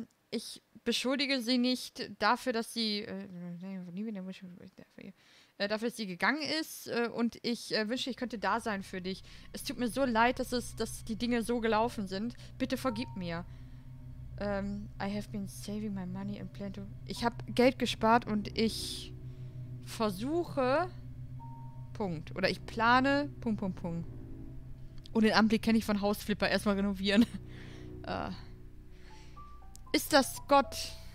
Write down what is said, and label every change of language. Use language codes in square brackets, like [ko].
[de] Ich beschuldige sie nicht dafür, dass sie gegangen ist. Und ich wünsche, ich könnte da sein für dich. Es tut mir so leid, dass die Dinge so gelaufen sind. Bitte vergib mir. [en] I have been saving my money and plan to. [de] Ich habe Geld gespart und ich versuche. Punkt. Oder ich plane. Punkt, Punkt, Punkt. Und den Anblick kenne ich von Hausflipper. Erstmal renovieren. Ist das Gott?